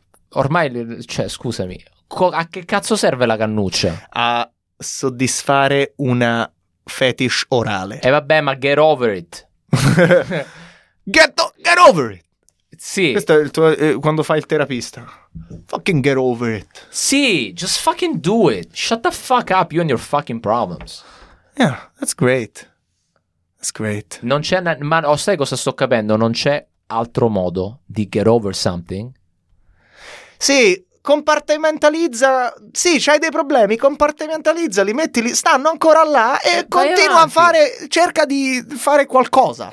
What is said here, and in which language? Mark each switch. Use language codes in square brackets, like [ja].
[it] ormai, cioè, scusami, a che cazzo serve la cannuccia? A soddisfare una fetish orale. E vabbè, ma [en] get over it. get over it. [it] Sì. Questo è il tuo, quando fai il terapista. [en] Fucking get over it. Sì, just fucking do it. Shut the fuck up, you and your fucking problems. Yeah, that's great. That's great. [it] Non c'è, ma sai cosa sto capendo? Non c'è altro modo di [en] get over something? [it] Sì, compartimentalizza. Sì, c'hai dei problemi, compartimentali, mettili, stanno ancora là e continua avanti. A fare, cerca di fare qualcosa.